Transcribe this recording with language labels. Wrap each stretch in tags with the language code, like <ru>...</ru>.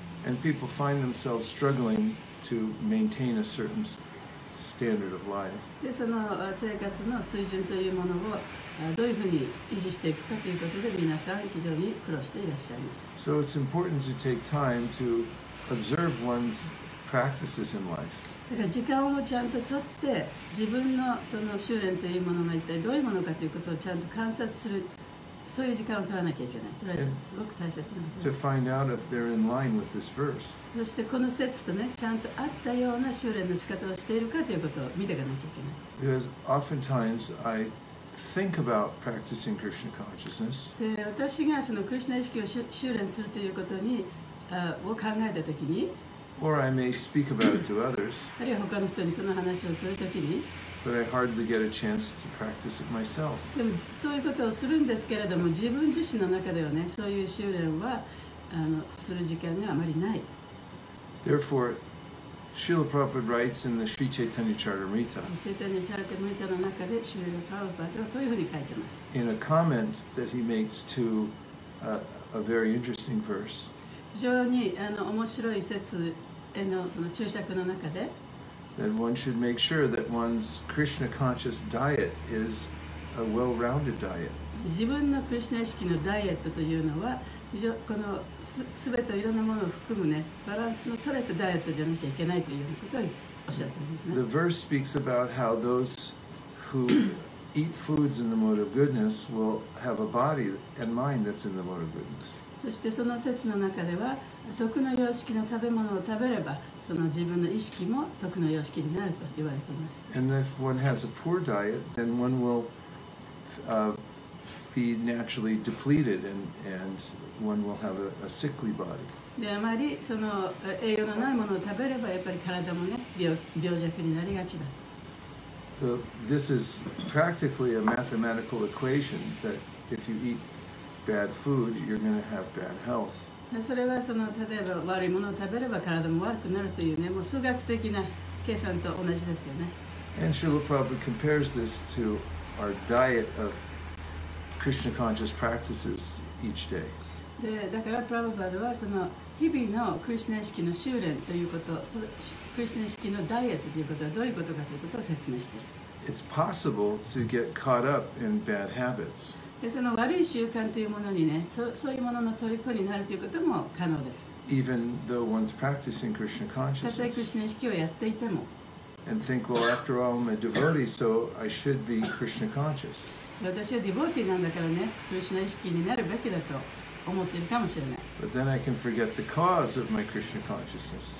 <en>And people find themselves struggling to maintain a certain standard of life.</en> <ja>で、その生活の水準というものをどういうふうに維持していくかということで、皆さん非常に苦労していらっしゃいます。</ja> <en>So it's important to take time to observe one's practices in life.</en> <ja>だから時間をちゃんと取って、自分のその修練というものが一体どういうものかということをちゃんと観察する。そういう時間を取らなきゃいけない。それはすごく大切なことです。</ja> <en>To find out if they're in line with this verse.</en> <ja>そしてこの説とね、ちゃんと合ったような修練の仕方をしているかということを見ていかなきゃいけない。</ja> <en>Because oftentimes I think about practicing Krishna consciousness.</en> <ja>で、私がそのクリシュナ意識を修練するということに、を考えたときに、</ja> <en>Or I may speak about it to others.</en> <ja>あるいは他の人にその話をするときに、</ja> <en>But I hardly get a chance to practice it myself.</en> <ja>でもそういうことをするんですけれども、自分自身の中ではね、そういう修練はする時間があまりない。</ja> <en>Therefore, Srila Prabhupada writes in the Sri Chaitanya Charitamrita.</en> <ja>Chaitanya Charitamrita の中で、Srila Prabhupada はこういうふうに書いてます。</ja> <en>In a comment that he makes to a very interesting verse.</en> <ja>非常に面白い説へのその注釈の中で。</ja> <en>Then one should make sure that one's Krishna conscious diet is a well-rounded diet.</en> <ja>自分のクリシュナ意識のダイエットというのは、このすべていろんなものを含むね、バランスの取れたダイエットじゃなきゃいけないというようなことをおっしゃっていますね。</ja> <en>The verse speaks about how those who eat foods in the mode of goodness will have a body and mind that's in the mode of goodness.</en> <ja>そしてその説の中では、徳の様式の食べ物を食べれば、その自分の意識も徳の様式になると言われています。</ja> <en>And if one has a poor diet, then one will be naturally depleted and one will have a sickly body.</en> <ja>で、あまりその栄養のないものを食べれば、やっぱり体もね、病弱になりがちだ。</ja> <en>So this is practically a mathematical equation that if you eat bad food, you're going to have bad health.</en> <ja>それはその例えば悪いものを食べれば体も悪くなるというね、もう数学的な計算と同じですよね。</ja> <en>And Srila Prabhupada compares this to our diet of Krishna conscious practices each day.</en> <ja>で、だからプラブパダはその日々のクリシュナ意識の修練ということ、クリシュナ意識のダイエットということはどういうことかということを説明している。</ja> <en>It's possible to get caught up in bad habits.</en> <ja>その悪い習慣というものにね、そういうものの虜になるということも可能です。</ja> <en>Even though one's practicing Krishna consciousness.</en> <ja>たとえクリシュナ意識をやっていても。</ja> <en>And think, well, after all, I'm a devotee, so I should be Krishna conscious.</en> <ja>私はディボーティーなんだからね、クリシュナ意識になるべきだと思っているかもしれない。</ja> <en>But then I can forget the cause of my Krishna consciousness.</en>